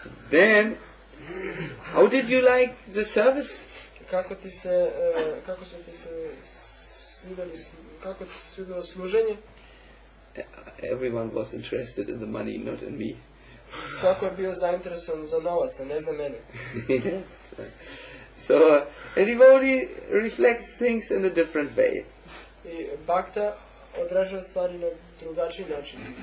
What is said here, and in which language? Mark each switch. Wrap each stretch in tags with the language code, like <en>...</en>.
<en>Then, how did you like the service?</en> <sr>Kako ti se, kako su ti se svidjeli, kako ti se svidjelo služenje?</sr> <en>Everyone was interested in the money, not in me.</en> <sr>Svako je bio zainteresovan za novac, a ne za mene.</sr> <en>Yes. So, everybody reflects things in a different way.</en> <sr>I Bhakta odražava stvari na drugačiji način.</sr>